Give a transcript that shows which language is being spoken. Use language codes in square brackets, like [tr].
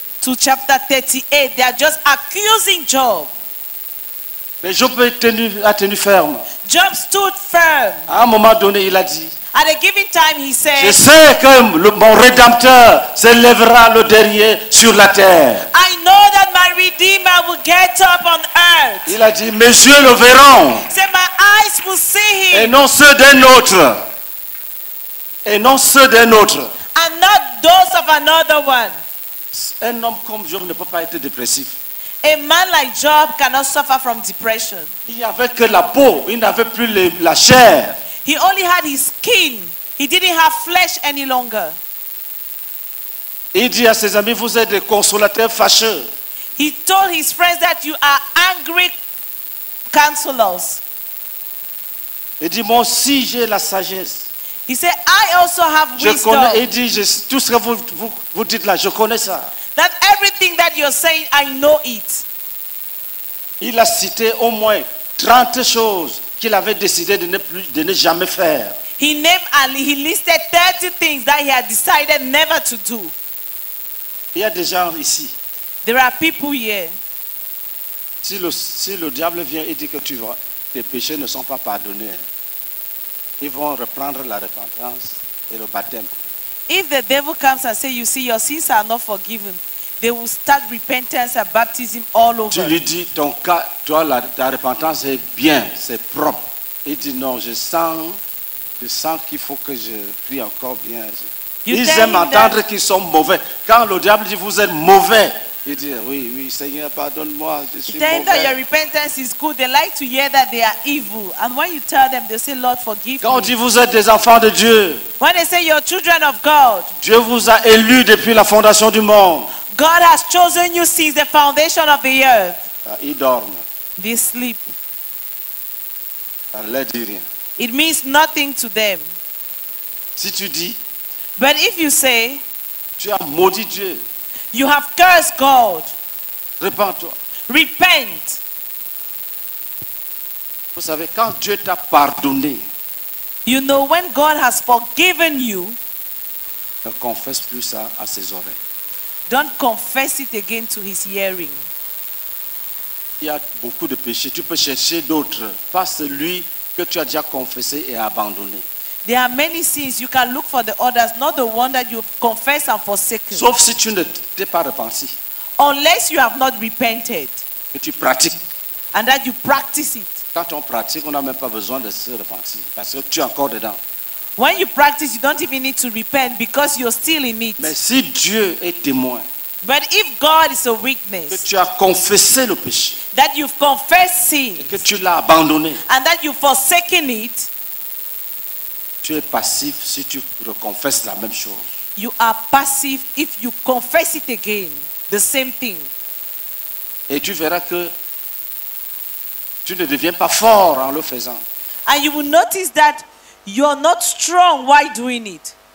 [en] To chapter 38, they are just accusing Job. [fr] Mais Job a tenu ferme. [en] Job stood firm. [fr] À un moment donné, il a dit. [en] At a given time, he said. [fr] Je sais que mon rédempteur s'élèvera le dernier sur la terre. [en] I know that my redeemer will get up on earth. [fr] Il a dit, mes yeux le verront. [en] Say, my eyes will see him. [fr] Et non ceux d'un autre. Et non ceux d'un autre. [en] And not those of another one. [fr] Un homme comme Job ne peut pas être dépressif. [en] A man like Job cannot suffer from depression. [fr] Il n'avait que la peau, il n'avait plus la chair. [en] He only had his skin. He didn't have flesh any longer. [fr] Il dit à ses amis, vous êtes des consolateurs fâcheux. [en] He told his friends that you are angry counselors. [fr] Il dit, moi aussi j'ai la sagesse. [en] He said, I also have wisdom. [fr] Je connais, il dit, tout ce que vous dites là, je connais ça. [en] That everything that you're saying, I know it. [fr] Il a cité au moins 30 choses qu'il avait décidé de ne jamais faire. [en] He named and he listed 30 things that he had decided never to do. [fr] Il y a des gens ici. [en] There are people here. [fr] Si le diable vient et dit que tu vois, tes péchés ne sont pas pardonnés. Ils vont reprendre la repentance et le baptême. [en] If the devil comes and says, you see, your sins are not forgiven, they will start repentance and baptism all over. [fr] Tu lui dis, ton cas, toi, ta repentance est bien, c'est propre. Il dit, non, je sens qu'il faut que je prie encore bien. Ils aiment entendre qu'ils sont mauvais. Quand le diable dit, vous êtes mauvais, il dit, oui, Seigneur, pardonne-moi, je suis mauvais. [en] That your repentance is good. They like to hear that they are evil. And when you tell them, they say, Lord, forgive me. [fr] Quand on dit, vous êtes des enfants de Dieu. [en] When they say, you're children of God. [fr] Dieu vous a élu depuis la fondation du monde. [en] God has chosen you since the foundation of the earth. [fr] Ils dorment. [en] They sleep. [fr] Ça ne leur dit rien. [en] It means nothing to them. [fr] Si tu dis. [en] But if you say. [fr] Tu as maudit Dieu. [en] You have cursed God. [fr] Repent-toi. [en] Repent. [fr] Vous savez, quand Dieu t'a pardonné, [en] you know, when God has forgiven you, [fr] ne confesse plus ça à ses oreilles. [en] Don't confess it again to his hearing. [fr] Il y a beaucoup de péchés. Tu peux chercher d'autres, pas celui que tu as déjà confessé et abandonné. [en] There are many sins. You can look for the others, not the one that you confess and forsaken. [fr] Sauf si tu ne t'es pas repenti. [en] Unless you have not repented. [fr] Et tu pratiques. [en] And that you practice it. [fr] Quand on pratique, on n'a même pas besoin de se repentir. Parce que tu es encore dedans. [en] When you practice, you don't even need to repent because you're still in it. [fr] Mais si Dieu est témoin. [en] But if God is a witness. [fr] Que tu as confessé le péché. [en] That you've confessed sin. [fr] Et que tu l'as abandonné. [en] And that you've forsaken it. [fr] Tu es passif si tu reconfesses la même chose. [en] You are passive if you confess it again, the same thing. [fr] Et tu verras que tu ne deviens pas fort en le faisant. [en] And you will notice that you're not strong while doing it.